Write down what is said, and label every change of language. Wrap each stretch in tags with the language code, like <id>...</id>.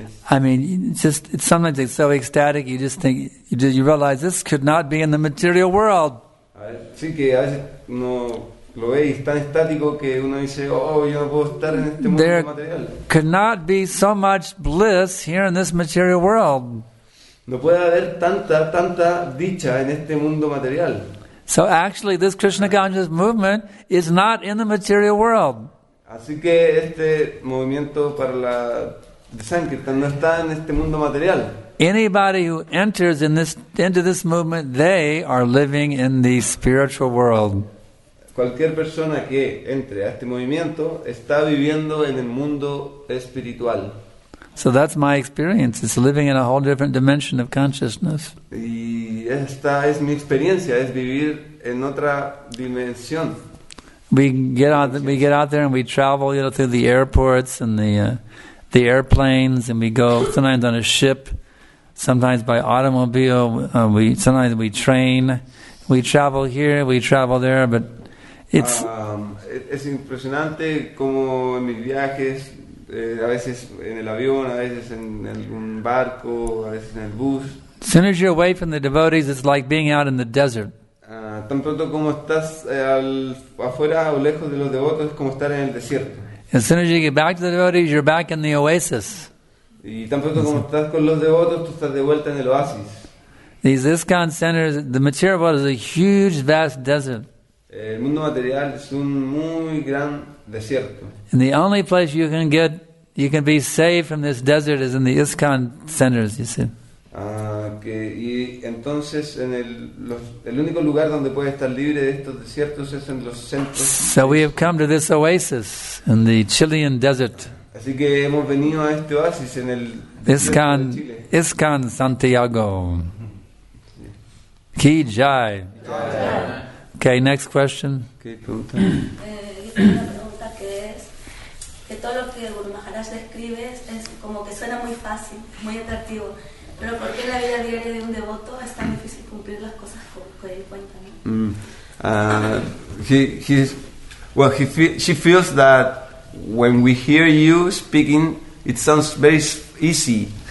<en>I mean, it's sometimes it's so ecstatic you just think you realize this could not be in the material world.</en> <es>Sí, que a veces no. Lo ve y es tan estático que uno dice, oh, yo no puedo estar en este mundo</es> <en>there</en> <es>material.</es> <en>There cannot be so much bliss here in this material world.</en> <es>No puede haber tanta dicha en este mundo material.</es> <en>So actually, this Krishna consciousness movement is not in the material world.</en> <es>Así que este movimiento para la Sankirtan no está en este mundo material.</es> <en>Anybody who enters into this movement, they are living in the spiritual world.</en> <es>Cualquier persona que entre a este movimiento está viviendo en el mundo espiritual.</es> <en>So that's my experience. It's living in a whole different dimension of consciousness.</en> <es>Y esta es mi experiencia, es vivir en otra dimensión.</es> <en>We get out there and we travel, you know, through the airports and the airplanes, and we go sometimes on a ship, sometimes by automobile. We train, we travel here, we travel there, but it's</en> <es>es impresionante como en mis viajes, a veces en el avión, a veces en algún barco, a veces en el bus.</es> <en>As soon as you're away from the devotees, it's like being out in the desert.</en> <es>Tan pronto como estás afuera o lejos de los devotos, es como estar en el desierto.</es> <en>As soon as you get back to the devotees, you're back in the oasis.</en> <es>Y tan pronto como estás con los devotos, tú estás de vuelta en el oasis.</es> <en>These ISKCON centers, the material world is a huge, vast desert.</en> <es>El mundo material es un muy gran desierto.</es> <en>And the only place you can be safe from this desert is in the ISKCON centers, you see.</en> <es>Okay. Y entonces el único lugar donde puedes estar libre de estos desiertos es en los centros.</es> <en>So we have come to this oasis in the Chilean desert.</en> <es>Así que hemos venido a este oasis en el ISKCON, Chile. ISKCON Santiago. Sí. Ki jai.</es> <en>Okay, next question.</en> <es>Una pregunta que es que todo lo que Guru Maharaj las describes es como que suena muy fácil, muy atractivo. Pero ¿por qué en la vida diaria de un devoto es tan difícil cumplir las cosas que él cuenta? ¿No?</es> <en>She feels that when we hear you speaking, it sounds very easy.</en>